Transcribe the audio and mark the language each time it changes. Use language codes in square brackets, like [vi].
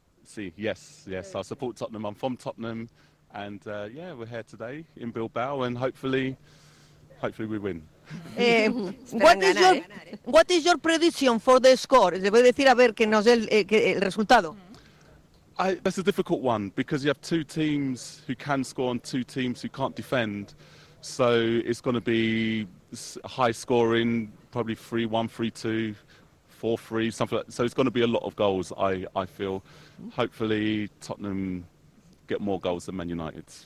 [en] Sí, yes, I support Tottenham, I'm from Tottenham and yeah, we're here today in Bilbao and hopefully we win. What is your prediction for the score? [es] Le voy a decir a ver que nos dé el resultado. [en] That's a difficult one because you have two teams who can score and two teams who can't defend. So it's going to be high scoring, probably 3-1, 3-2, 4-3, something like that. So it's going to be a lot of goals, I feel. Hopefully Tottenham get more goals than Man United.